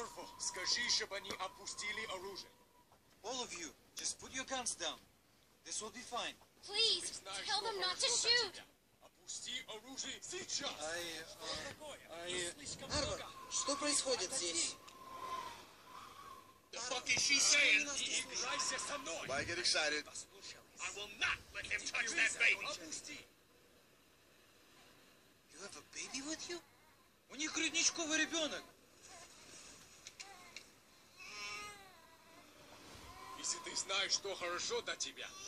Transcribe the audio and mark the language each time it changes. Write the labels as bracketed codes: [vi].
[ru] Арво, скажи, чтобы они опустили оружие. [en] All of you, just put your guns down. This will be fine. Please, tell them not to shoot. [ru] Опусти оружие сейчас. Арво, что происходит здесь? [en] The fuck is she saying? Why get excited? I will not let him touch that baby. You have a baby with you? [ru] У них грудничковый ребенок. Если ты знаешь, что хорошо для тебя,